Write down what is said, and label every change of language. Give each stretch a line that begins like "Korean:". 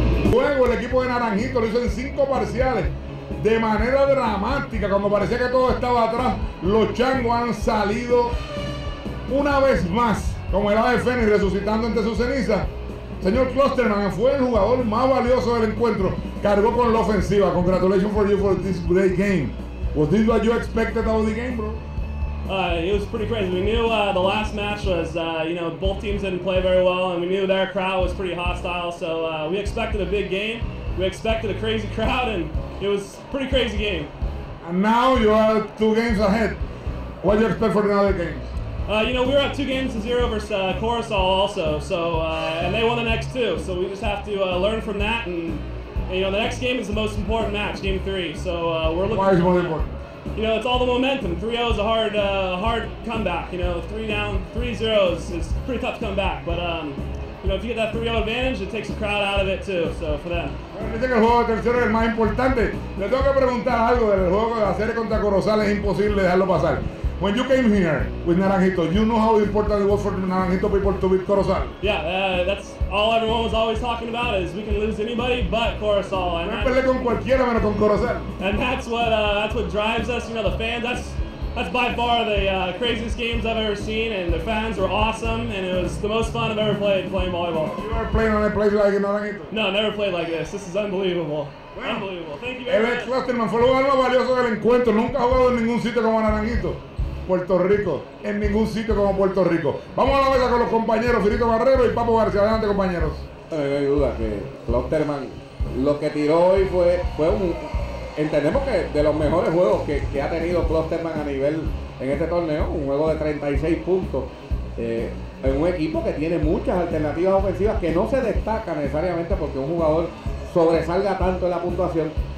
Spanish: Juego, el equipo de Naranjito lo hizo en 5 parciales de manera dramática, cuando parecía que todo estaba atrás, los Changos han salido una vez más como el ave fénix resucitando entre sus cenizas. Señor Klosterman fue el jugador más valioso del encuentro, cargó con la ofensiva.
English: Congratulations for you for this great game. Was this what you expected out of the game, bro? It was pretty crazy. We knew the last match was, you know, both teams didn't play very well, and we knew their crowd was pretty hostile, so we expected a big game. We expected a crazy crowd, and it was a pretty crazy game. And now you are 2 games ahead. What do you expect for the other games? You know, we were up 2-0 versus Coruscant also, so and they won the next 2, so we just have to learn from that, and you know, the next game is the most important match, game 3, so we're looking forward. Why is it more important? You know, it's all the momentum. 3-0 is a hard hard comeback, you know. 3-0 is pretty tough to come back. But, you know, if you get that 3-0 advantage, it takes the crowd out of it, too, so for them.
Spanish: Dicen que el juego de tercero es el más importante. Le tengo que preguntar algo del juego de la serie contra Corozal. Es imposible dejarlo pasar.
English: When you came here with Naranjito, you know how important it was for the Naranjito people to beat Corozal? Yeah, that's all everyone was always talking about, is we can lose anybody but Corozal.
Spanish: No peleé con cualquiera menos con Corozal.
English: And that's what drives us, you know, the fans. That's by far the craziest games I've ever seen, and the fans were awesome, and it was the most fun I've ever played playing volleyball. You ever played on a place like Naranjito? No, never played like this. This is unbelievable. Unbelievable. Thank you very much.
Spanish: El Klosterman fue lo más valioso del encuentro. Nunca jugado en ningún sitio como Naranjito. Puerto Rico, en ningún sitio como Puerto Rico. Vamos a la mesa con los compañeros Firito Barrero y Papo García. Adelante, compañeros. No hay duda que Klosterman lo que tiró hoy fue un, entendemos que de los mejores juegos que ha tenido Klosterman a nivel en este torneo, un juego de 36 puntos en un equipo que tiene muchas alternativas ofensivas que no se destaca necesariamente porque un jugador sobresalga tanto en la puntuación.